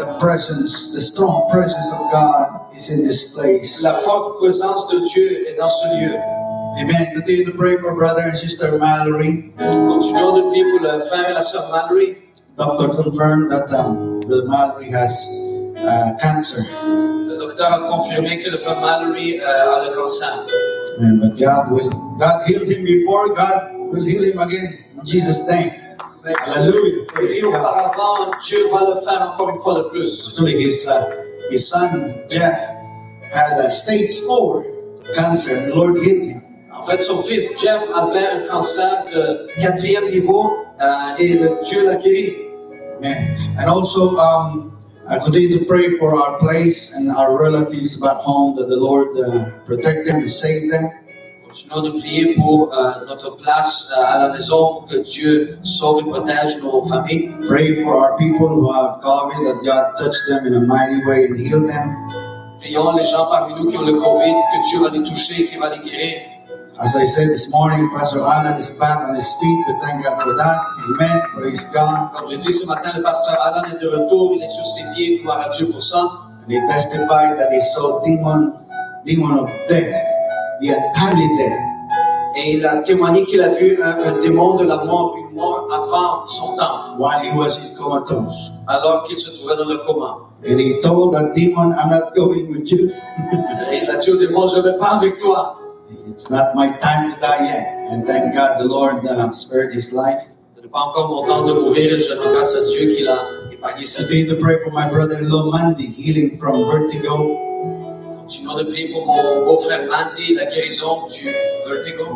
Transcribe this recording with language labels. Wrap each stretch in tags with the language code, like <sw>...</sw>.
<en>The presence, the strong presence of God is in this place.</en> <fr>La forte présence de Dieu est dans ce lieu.</fr> <en>Amen. Continue to pray for brother and sister Mallory.</en> <fr>Continuons de prier pour le frère et la sœur Mallory.</fr> <en>Doctor confirmed that brother Mallory has cancer.</en> <fr>Le docteur a confirmé que le frère Mallory a le cancer.</fr> <en>Amen. But God healed him before. God will heal him again. In Jesus' name. Hallelujah. His son Jeff had a stage 4 cancer, and the Lord healed him.</en> <fr>En fait, son fils Jeff avait un cancer de quatrième niveau, et Dieu l'a guéri.</fr> <en>Amen. And also, I continue to pray for our place and our relatives back home, that the Lord protect them and save them.</en> <fr>Continuons de prier pour notre place à la maison, que Dieu sauve et protège nos familles.</fr> <en>Pray for our people who have COVID, that God touch them in a mighty way and heal them.</en> <fr>Prions les gens parmi nous qui ont le COVID, que Dieu va les toucher et qu'il va les guérir.</fr> <en>As I said this morning, Pastor Alan is back on his feet. We thank God for that. Amen. Praise God.</en> <fr>Comme je dis ce matin, le Pasteur Alan est de retour. Il est sur ses pieds. Gloire à Dieu pour ça.</fr> <en>And he testified that he saw demon of death. He had tiny death.</en> <fr>Et il a témoigné qu'il a vu un démon de la mort, une mort avant son temps.</fr> <en>While he was in comatose.</en> <fr>Alors qu'il se trouvait dans le coma.</fr> <en>And he told that demon, I'm not going with you.</en> <fr>Il a dit au démon, je ne vais pas avec toi.</fr> <en>It's not my time to die yet. And thank God the Lord spared his life.</en> <fr>Ce n'est pas encore mon temps de mourir. Je remercie Dieu qui l'a épargné.</fr> <en>I need to pray for my brother-in-law Mandy, healing from vertigo.</en> <fr>Continuons de prier pour mon beau-frère Mandy, la guérison du vertigo.</fr>